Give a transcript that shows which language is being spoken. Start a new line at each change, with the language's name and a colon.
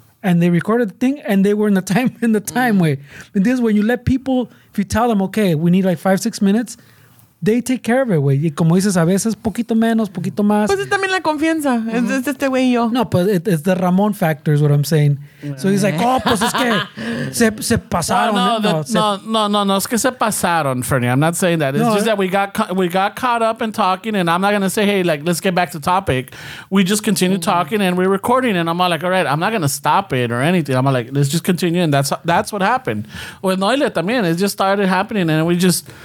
English: And they recorded the thing and they were in the time mm-hmm. way. And this is when you let people, if you tell them, okay, we need like 5-6 minutes, they take care of it, güey.
Spanish: Y como dices, a veces poquito menos, poquito más. Pues es también la confianza. Mm-hmm. Es este güey y yo.
English: No, pues it's the Ramón factor is what I'm saying. Mm-hmm. So he's like, oh,
Spanish: pues es que se pasaron. No, es que se pasaron, Fernie.
English: I'm not saying that. It's no, just that we got caught up in talking, and I'm not going to say, hey, like, let's get back to topic. We just continue mm-hmm. talking, and we're recording, and I'm all like, all right, I'm not going to stop it or anything. I'm all like, let's just continue, and that's what happened. With Noile también, it just started happening, and we just...